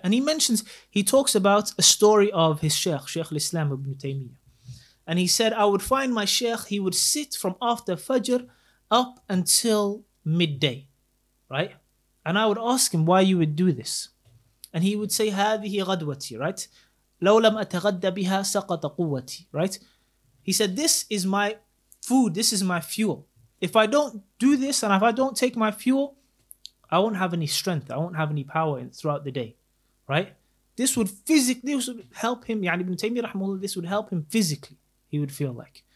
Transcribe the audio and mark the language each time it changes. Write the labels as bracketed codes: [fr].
[en] And he mentions, he talks about a story of his sheikh, Shaykh al-Islam ibn Taymiyyah. And he said, I would find my sheikh, he would sit from after Fajr up until midday, right? And I would ask him why you would do this. And he would say, [ar] هذه غدوتي, [en] right? [ar] لو لم أتغدى بها سقط قوتي, right? [en] He said, this is my food, this is my fuel. If I don't do this and if I don't take my fuel, I won't have any strength. I won't have any power throughout the day, right? This would physically, this would help him. [ar] يعني ابن تيمية رحمه الله, [en] this would help him physically, he would feel like.